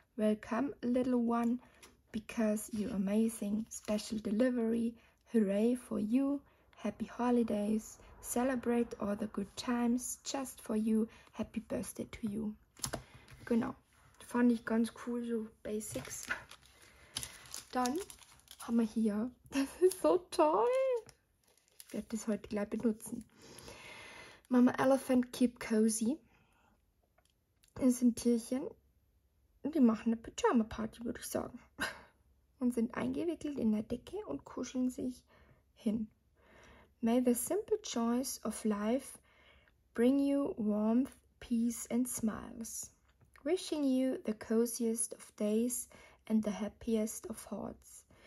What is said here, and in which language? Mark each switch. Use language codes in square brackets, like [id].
[en] Welcome, little one. Because you're amazing. Special delivery. Hooray for you, happy holidays, celebrate all the good times, just for you, happy birthday to you. [de] Genau, fand ich ganz cool, so Basics. Dann haben wir hier, das ist so toll, ich werde das heute gleich benutzen. Mama Elephant Keep Cozy. Das sind Tierchen, die machen eine Pyjama-Party, würde ich sagen. Und sind eingewickelt in der Decke und kuscheln sich hin. [en] May the simple joys of life bring you warmth, peace and smiles. Wishing you the coziest of days and the happiest of hearts.